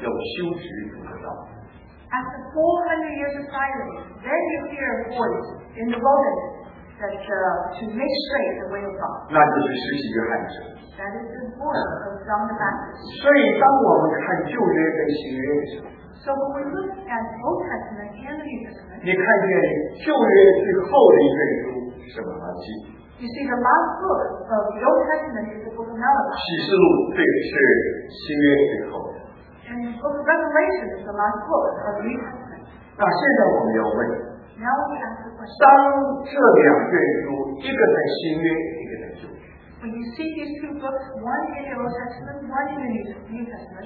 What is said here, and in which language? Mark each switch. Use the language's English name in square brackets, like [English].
[Chinese] 后来要经过400年以后，你才听见旷野有一个人喊着说要修直主的道。 [English] After 400 years of silence, then you hear a voice in the wilderness that to make straight the way of God. [Chinese] 那就是施洗约翰者。 [English] That is the voice of John the Baptist. [Chinese] 所以当我们看旧约跟新约的时候， [English] So when we look at Old Testament and the New Testament. [Chinese] 你看见旧约最后的一卷书是马拉基。 [English] You see the last book of the Old Testament is the book of Malachi. [Chinese] 启示录这个是新约最后的。 [English] And the book of Revelation is the last book of the New Testament. [Chinese] 那现在我们要问, [English] Now we ask the question. [Chinese] 当这两卷书，一个在新约，一个在旧约。 [English] When you see these two books, one in the Old Testament, one in the New Testament.